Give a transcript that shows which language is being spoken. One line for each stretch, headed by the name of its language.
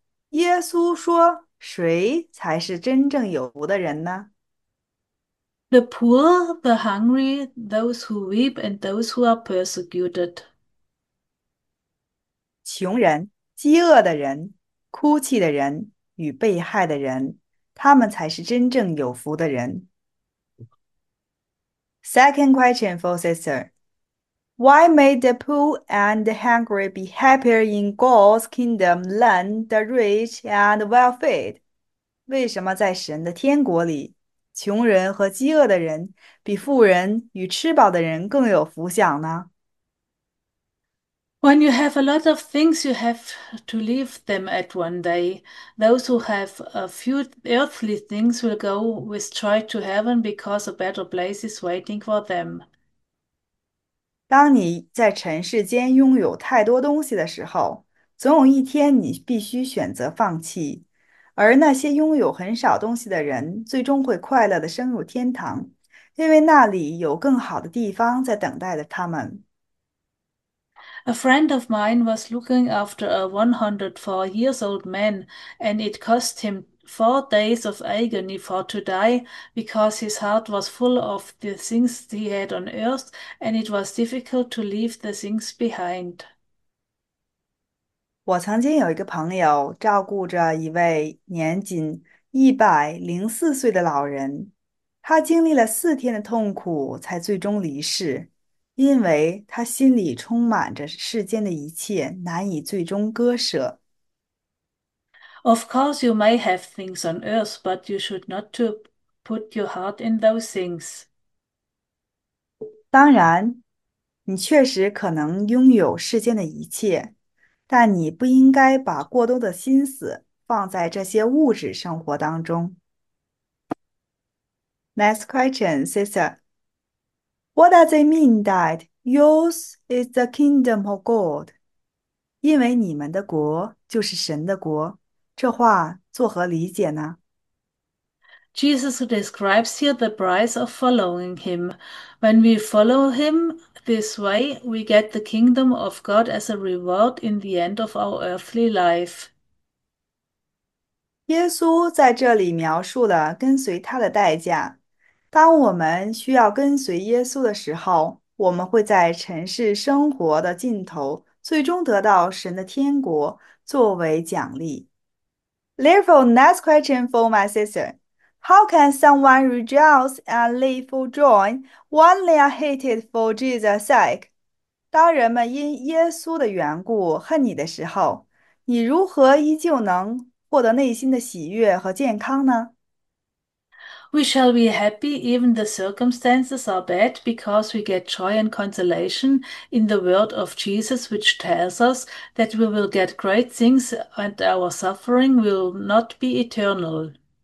Chinese: 耶稣说，谁才是真正有福的人呢？
English: The poor, the hungry, those who weep, and those who are persecuted.
Chinese: 穷人，饥饿的人。哭泣的人与被害的人，他们才是真正有福的人。
English: Second question for sister. Why may the poor and the hungry be happier in God's kingdom than the rich and well-fed?
Chinese: 为什么在神的天国里，穷人和饥饿的人比富人与吃饱的人更有福享呢？
English: When you have a lot of things, you have to leave them at one day. Those who have a few earthly things will go with joy to heaven because a better place is waiting for them.
Chinese: 当你在尘世间拥有太多东西的时候，总有一天你必须选择放弃。而那些拥有很少东西的人，最终会快乐地升入天堂，因为那里有更好的地方在等待着他们。
English: A friend of mine was looking after a 104 years old man, and it cost him 4 days of agony for to die because his heart was full of the things he had on earth, and it was difficult to leave the things behind.
Chinese: 我曾经有一个朋友照顾着一位年仅104岁的老人，他经历了4天的痛苦才最终离世，因为他心里充满着世间的一切，难以最终割舍。
English: Of course, you may have things on earth, but you should not to put your heart in those things.
Chinese: 当然，你确实可能拥有世间的一切。但你不应该把过多的心思放在这些物质生活当中。
English: Next question, sister. What does it mean that yours is the kingdom of God?
Chinese: 因为你们的国就是神的国，这话作何理解呢？
English: Jesus describes here the price of following him. When we follow him this way, we get the kingdom of God as a reward in the end of our earthly life.
Chinese: 耶稣在这里描述了跟随他的代价。当我们需要跟随耶稣的时候，我们会在尘世生活的尽头，最终得到神的天国作为奖励。
English: Therefore, next question for my sister: How can someone rejoice and live for joy when they are hated for Jesus' sake?
Chinese: 当人们因耶稣的缘故恨你的时候，你如何依旧能？获得内心的喜悦和健康呢？
English: We shall be happy even the circumstances are bad because we get joy and consolation in the word of Jesus, which tells us that we will get great things and our suffering will not be eternal.